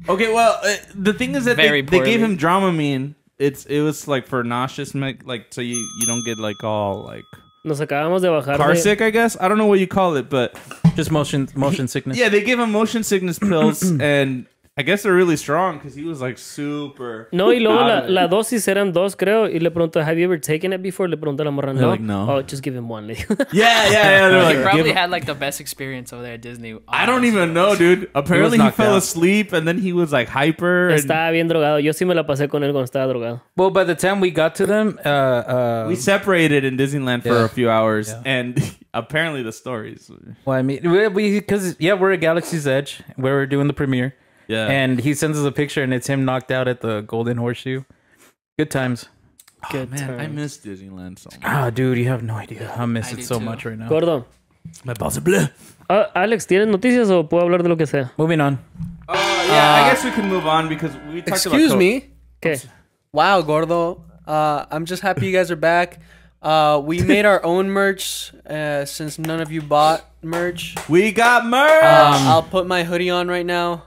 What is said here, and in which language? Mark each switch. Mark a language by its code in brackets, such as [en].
[en] Okay, well, the thing is that they gave him Dramamine. It was like for nauseous like so you don't get like all like. [es] Nos acabamos de bajar. [en] Car sick, I guess. I don't know what you call it, but just motion sickness. Yeah, they gave him motion sickness pills, and I guess they're really strong because he was like super. [es] No, y luego la dosis eran dos, creo. Y le pregunto, [en] have you ever taken it before? [es] Le pregunto a la morra, no. [en] Like, no. Oh, just give him one. Yeah. He probably had like the best experience over there at Disney. I don't even know, dude. Apparently, he fell asleep and then he was like hyper. [es] Estaba bien drogado. Yo sí me la pasé con él cuando estaba drogado. [en] Well, by the time we got to them, we separated in Disneyland for a few hours, and apparently the stories. Well, we're at Galaxy's Edge where we're doing the premiere. Yeah. And he sends us a picture and it's him knocked out at the Golden Horseshoe. Good times. Oh, man. I miss Disneyland so much. Ah, dude, you have no idea. I miss it so much right now. Gordo. My balls are blue. [es] Alex, ¿tienes noticias o puedo hablar de lo que sea? [en] Moving on. Yeah, I guess we can move on because we talked excuse about... Excuse me. Okay. Wow, Gordo. I'm just happy you guys are back. We made our own merch since none of you bought merch. We got merch. I'll put my hoodie on right now.